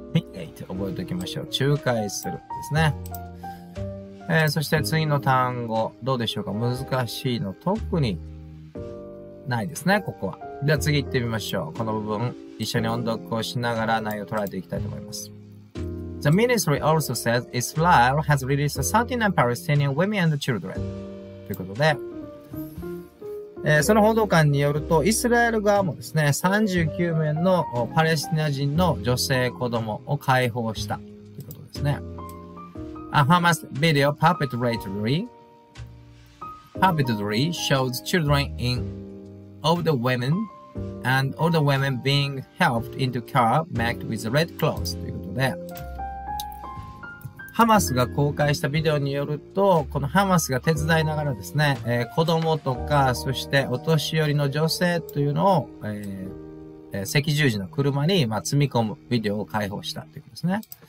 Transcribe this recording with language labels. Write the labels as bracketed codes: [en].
[ja] Mediate 覚えておきましょう。仲介するですね。そして次の単語、どうでしょうか？難しいの特にないですね、ここは。じゃあ次行ってみましょう。この部分、一緒に音読をしながら内容を捉えていきたいと思います。 [en] The ministry also says Israel has released 39 Palestinian women and children. [ja] ということで、その報道官によると、イスラエル側もですね、39名のパレスチナ人の女性子供を解放したということですね。 [en] A Hamas video perpetrated shows children in older women and older women being helped into car marked with red clothes [ja] ということで、ハマスが公開したビデオによると、このハマスが手伝いながらですね、子供とか、そしてお年寄りの女性というのを、赤十字の車に、まあ、積み込むビデオを解放したということですね。